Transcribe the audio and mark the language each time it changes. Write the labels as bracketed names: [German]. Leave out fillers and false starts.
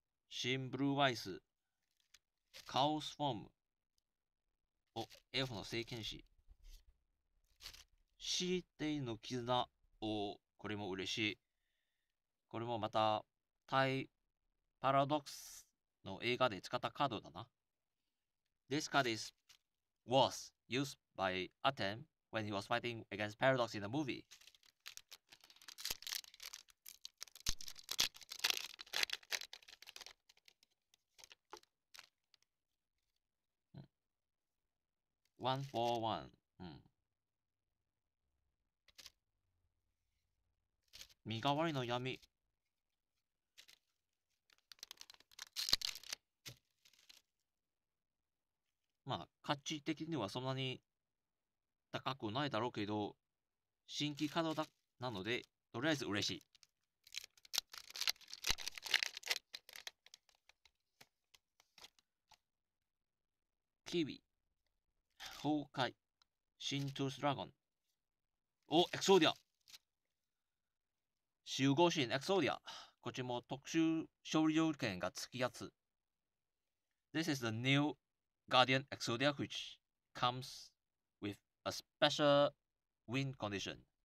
[Japanese] シンブルーアイス、カオスフォーム。お、エルフの聖剣士。シーテイの絆。お、これも嬉しい。これもまた、タイ。パラドックスの映画で使ったカードだな。 [English] This card is was used by Aten when he was fighting against Paradox in the movie. One for one. [Japanese] 身代わりの闇。まあ価値的にはそんなに高くないだろうけど、新規稼働だなのでとりあえず嬉しい。キビ、崩壊、シントゥースドラゴン。お、エクソーディア、集合神エクソーディア。こっちも特殊勝利条件がつきやつ。 [English] This is the newGuardian Exodia, which comes with a special win condition.